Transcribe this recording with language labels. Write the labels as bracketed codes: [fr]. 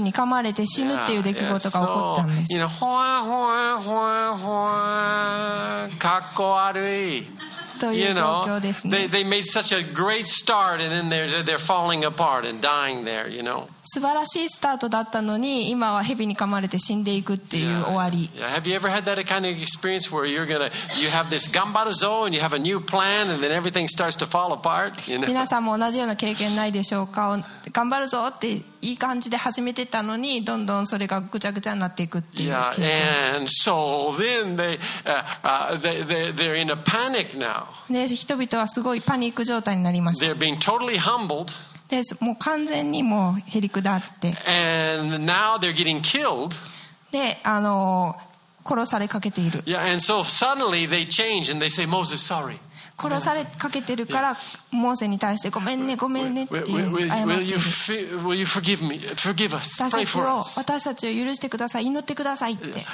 [ja] に噛まれて死ぬっていう出来事が起こったんです。 [en] Yeah, yeah. So, you know, [ja] ほわほわほわほわかっこ悪いという状況ですね。 [en] They made such a great start and then they're falling apart and dying there, you know. [ja] 素晴らしいスタートだったのに今は蛇に噛まれて死んでいくっていう終わり [en] yeah. Yeah. Have you ever had that kind of experience where you're gonna you have this [ja] 頑張るぞ [en] and you have a new plan and then everything starts to fall apart you know? [ja] 皆さんも同じような経験ないでしょうか頑張るぞっていい感じで始めてたのにどんどんそれがぐちゃぐちゃになっていくっていう経験 [en] yeah. And so then they're in a panic now [ja] で人々はすごいパニック状態になりました [en] They're being totally humbled [ja] でもう完全にもうへりくだって [en] and now they're getting killed. [ja] で殺されかけている [en] yeah, and so suddenly they change and they say, Moses, sorry. [ja] 殺されかけてるから、yeah. モーゼに対してごめんねごめんねっていう謝ってる [en] will you forgive me? Forgive us. Pray for us. [ja] 私たちを許してください祈ってくださいって